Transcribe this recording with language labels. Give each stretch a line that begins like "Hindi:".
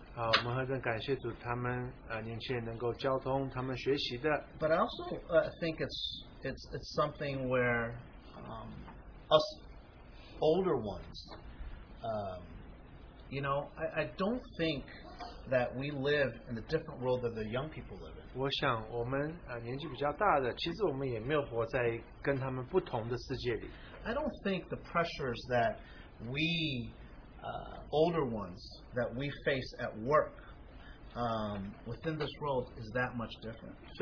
Chinese: 我们很感谢主他们年轻人能够交通他们学习的。
English: But I also think it's something where us older ones, you know, I don't think that we live in a different world that the young people live in.
Chinese: 我想我们年纪比较大的，其实我们也没有活在跟他们不同的世界里。
English: I don't think the pressures that we older ones that we face at work within this world is that much different.